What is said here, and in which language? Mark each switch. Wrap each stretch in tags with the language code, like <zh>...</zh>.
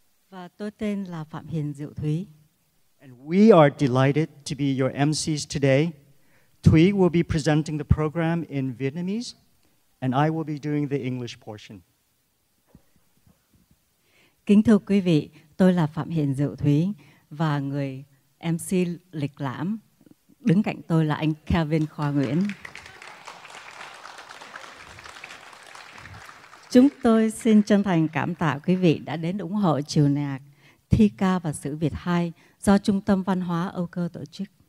<vi>Và tôi tên là Phạm Hiền Diệu Thúy.</vi> <en>And we are delighted to be your MCs today. Thúy will be presenting the program in Vietnamese, and I will be doing the English portion.</en> <vi>Kính thưa quý vị, tôi là Phạm Hiền Diệu Thúy và người MC lịch lãm đứng cạnh tôi là anh Kevin Khoa Nguyễn. Chúng tôi xin chân thành cảm tạ quý vị đã đến ủng hộ chiều nhạc Thi Ca và Sử Việt 2 do Trung tâm Văn hóa Âu Cơ tổ chức.</vi>